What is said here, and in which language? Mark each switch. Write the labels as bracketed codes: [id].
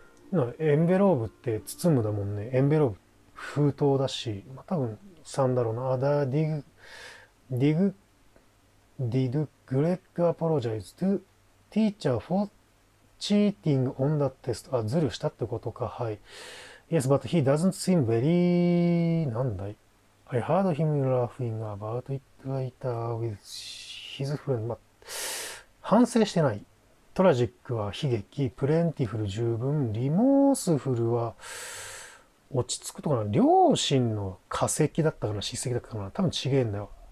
[ja] なエンベローブって包むだもんね。エンベローブ、封筒だし、まあ、多分3だろうな。アダ、ディグ、ディグ、ディド、グレッグ・アポロジャイズ・トゥ・ティーチャー・フォー・チーティング・オン・ダ・テスト。あ、ズルしたってことか。はい。 [en] Yes, but he doesn't seem very... [ja] なんだい？ [en] I heard him laughing about it later with his friend. [ja] ま、反省してない。トラジックは悲劇、プレンティフル十分、リモースフルは落ち着くとかな。両親の化石だったかな、叱責だったかな。多分違えんだよ。